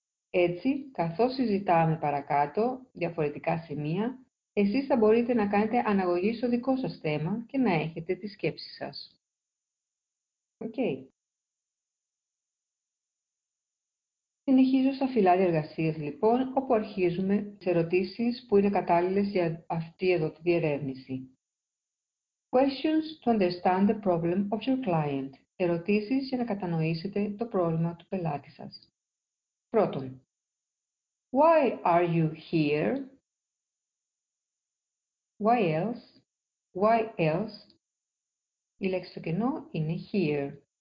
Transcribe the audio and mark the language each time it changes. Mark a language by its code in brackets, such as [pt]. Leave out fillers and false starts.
[el] Έτσι, καθώς συζητάμε παρακάτω διαφορετικά σημεία, εσείς θα μπορείτε να κάνετε αναγωγή στο δικό σας θέμα και να έχετε τη σκέψη σας. Okay. Συνεχίζω στα φυλάδια εργασίας, λοιπόν, όπου αρχίζουμε τις ερωτήσεις που είναι κατάλληλες για αυτή εδώ τη διερεύνηση. [en] Questions to understand the problem of your client. [el] Ερωτήσεις για να κατανοήσετε το πρόβλημα του πελάτη σας. Πρώτον, [en] why are you here? Why else? Why else? [el] Η λέξη στο κενό είναι [en] here.